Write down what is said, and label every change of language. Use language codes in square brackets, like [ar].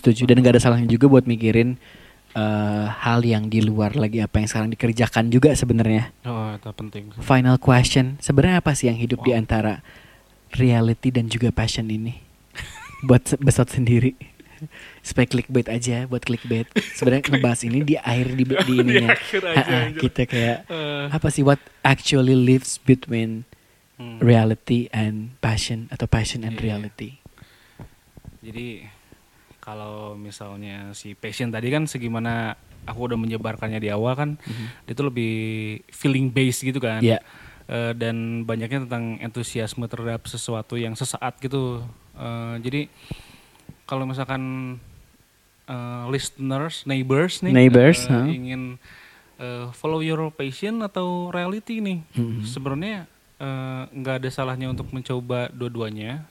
[id] Setuju, dan nggak ada salahnya juga buat mikirin hal yang di luar lagi, apa yang sekarang dikerjakan juga sebenarnya. Oh, itu penting. [en] Final question, [id] sebenarnya apa sih yang hidup di antara reality dan juga passion ini? Buat besot sendiri. Supaya clickbait aja, buat clickbait. Sebenarnya ngebahas ini di akhir di ininya. Kita kayak apa sih [en] what actually lives between reality and passion, [id] atau [en] passion and reality. [id] Jadi kalau misalnya si passion tadi kan segimana aku udah menyebarkannya di awal kan, itu lebih feeling based gitu kan. Dan banyaknya tentang antusiasme terhadap sesuatu yang sesaat gitu. Jadi kalau misalkan listeners, neighbors ingin [en] follow your passion [id] atau reality nih, sebenarnya nggak ada salahnya untuk mencoba dua-duanya.